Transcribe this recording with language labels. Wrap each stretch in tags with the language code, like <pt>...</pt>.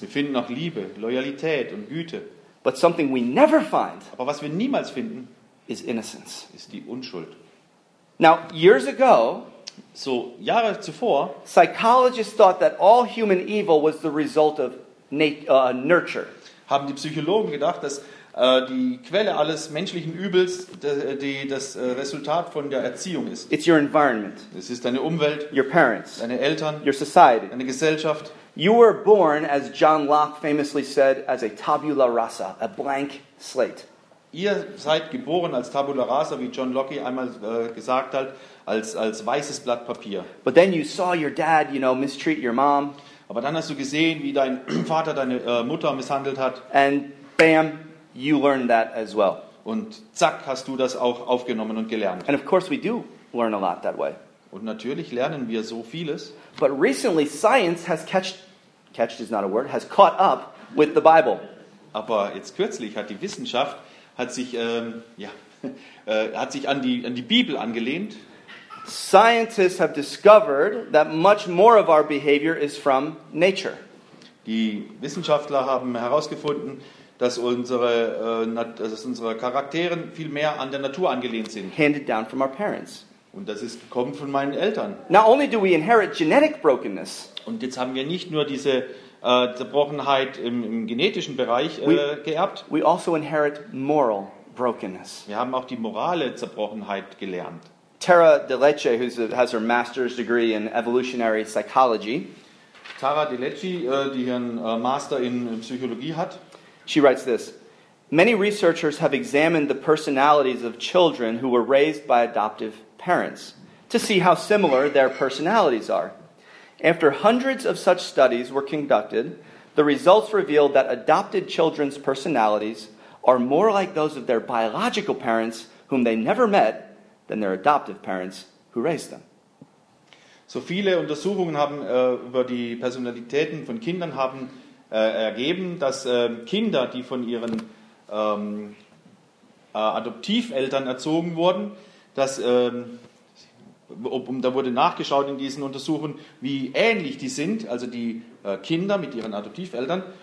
<de>Wir finden auch Liebe, Loyalität und Güte.</de> <en>But something we never find,</en> <de>aber was wir niemals finden,</de> <en>is innocence.</en> <de>Ist die Unschuld.</de> <en>Now, years ago,</en> <de>so Jahre zuvor,</de> <en>psychologists thought that all human evil was the result of nurture.</en> <de>Haben die Psychologen gedacht, dass die Quelle alles menschlichen Übels Resultat von der Erziehung ist.</de> <en>It's your environment.</en> <de>Es ist deine Umwelt.</de> <en>Your parents.</en> <de>Deine Eltern.</de> <en>Your society.</en> <de>Deine Gesellschaft.</de> <en>You were born, as John Locke famously said, as a tabula rasa, a blank slate.</en> <de>Ihr seid geboren als Tabula Rasa, wie John Locke einmal gesagt hat, als weißes Blatt Papier.</de> <en>But then you saw your dad, you know, mistreat your mom.</en> <de>Aber dann hast du gesehen, wie dein Vater deine Mutter misshandelt hat.</de> <en>And bam, you learned that as well.</en> <de>Und zack, hast du das auch aufgenommen und gelernt.</de> <en>And of course we do learn a lot that way.</en> <de>Und natürlich lernen wir so vieles.</de> <en>But recently science has caught up with the Bible.</en> <de>Aber jetzt kürzlich hat die Wissenschaft hat sich an die Bibel angelehnt.</de> <en>Scientists have discovered that much more of our behavior is from nature.</en> <de>Die Wissenschaftler haben herausgefunden, dass unsere Charaktere viel mehr an der Natur angelehnt sind.</de> <en>Handed down from our parents.</en> <de>Und das ist gekommen von meinen Eltern.</de> <en>Not only do we inherit genetic brokenness.</en> <de>Und jetzt haben wir nicht nur diese Zerbrochenheit im genetischen Bereich geerbt.</de> <en>We also inherit moral brokenness.</en> <de>Wir haben auch die morale Zerbrochenheit gelernt.</de> <en>Tara Deleche, who has her master's degree in evolutionary psychology.</en> <de>Tara Deleche, die ihren Master in Psychologie hat.</de> <en>She writes this. Many researchers have examined the personalities of children who were raised by adoptive parents to see how similar their personalities are. After hundreds of such studies were conducted, the results revealed that adopted children's personalities are more like those of their biological parents whom they never met than their adoptive parents who raised them.</en> <de>So viele Untersuchungen haben über die Personalitäten von Kindern haben ergeben, dass Kinder, die von ihren Adoptiveltern erzogen wurden, da wurde nachgeschaut in diesen Untersuchungen, wie ähnlich die sind, also die Kinder mit ihren Adoptiveltern.</de>